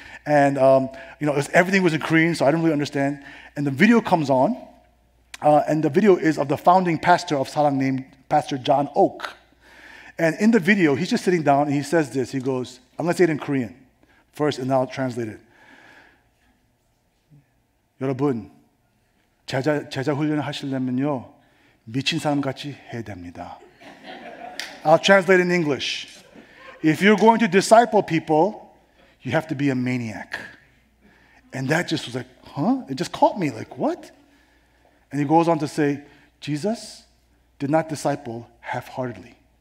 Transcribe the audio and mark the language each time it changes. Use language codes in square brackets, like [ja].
[en] And, you know, everything was in Korean, so I didn't really understand. And the video comes on, and the video is of the founding pastor of Sarang named Pastor John Oak. And in the video, he's just sitting down, and he says this. He goes, I'm going to say it in Korean first, and then I'll translate it. [ko] 여러분, 제자 훈련을 하시려면요, 미친 사람같이 해야 됩니다. [en] I'll translate in English. If you're going to disciple people, you have to be a maniac. And that just was like, huh? It just caught me, like, what? And he goes on to say, Jesus did not disciple half-heartedly.